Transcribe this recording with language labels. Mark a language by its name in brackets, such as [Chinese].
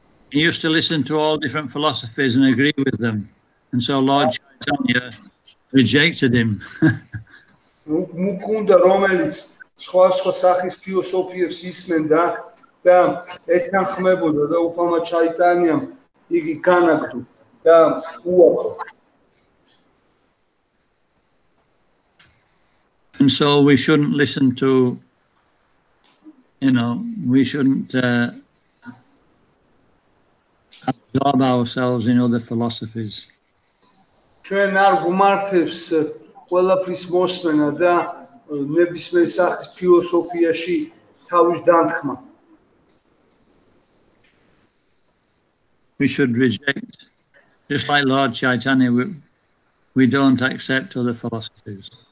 [English] He used to listen to all different philosophies and agree with them. And so Lord Chaitanya rejected him. [Georgian] Mukunda Romelis, სხვა სხვა სახის ფილოსოფიებს ისმენდა და ეთანხმებოდა და უფალმა ჩაიტანიამ იგი განაგდო და უარყო. [English] And so we shouldn't listen to, you know, we shouldn't absorb ourselves in other philosophies. [Georgian] ჩვენ არ გვმართებს ყველაფრის მოსმენა და ნებისმიერ სახის ფილოსოფიაში თავის დანთქმა. [English] We should reject, just like Lord Chaitanya, we don't accept other philosophies.